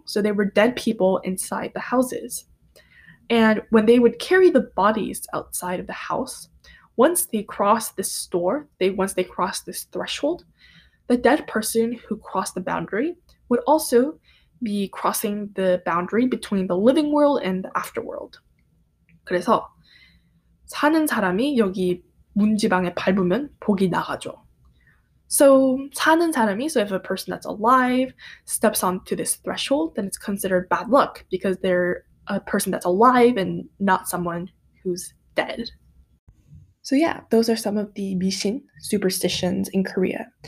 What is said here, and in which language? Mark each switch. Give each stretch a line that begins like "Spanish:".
English: So there were dead people inside the houses. And when they would carry the bodies outside of the house, once they crossed this threshold, the dead person who crossed the boundary would also be crossing the boundary between the living world and the afterworld.
Korean: 그래서 사는 사람이 여기 문지방에 밟으면 복이 나가죠.
English: So
Korean: 사는 사람이,
English: so if a person that's alive steps onto this threshold, then it's considered bad luck because they're a person that's alive and not someone who's dead. So yeah, those are some of the Bixin superstitions in Korea.